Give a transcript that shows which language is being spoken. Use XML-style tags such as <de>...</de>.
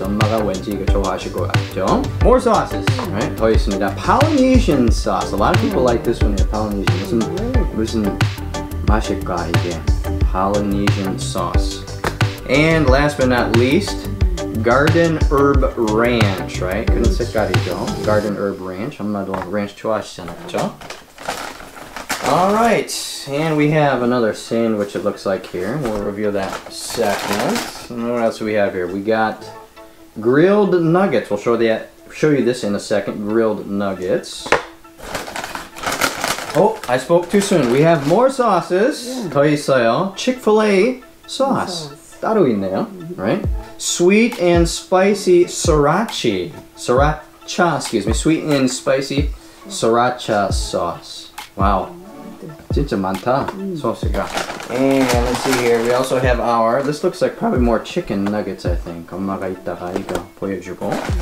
<ko>엄마가 왠지 이거 좋아하실 것 같죠?</ko> <en>More sauces. Alright,</en> <ko>더 있습니다.</ko> <en>Polynesian sauce. A lot of people like this one here.</en> <ko>Polynesian. 무슨 맛일까 이게?</ko> <en>Polynesian sauce. And last but not least, Garden Herb Ranch, right?</en> <ko>그런 색깔이죠. Garden Herb Ranch. 엄마도 ranch 좋아하시잖아, 그쵸?</ko> <en>All right, and we have another sandwich, it looks like, here. We'll review that second. And what else do we have here? We got grilled nuggets. We'll show you this in a second. Grilled nuggets. Oh, I spoke too soon. We have more sauces.</en> <ko>더 있어요.</ko> <en>Chick-fil-A sauce.</en> <ko>따로 있네요.</ko> <en>Right? Sweet and spicy sriracha. Sriracha, excuse me. Sweet and spicy sriracha sauce. Wow.</en> <ko>진짜 많다. 소스가.</ko> <en>And let's see here. We also have our, this looks like probably more chicken nuggets, I think.</en> <ko>엄마가 이따가 이거 보여주고.</ko>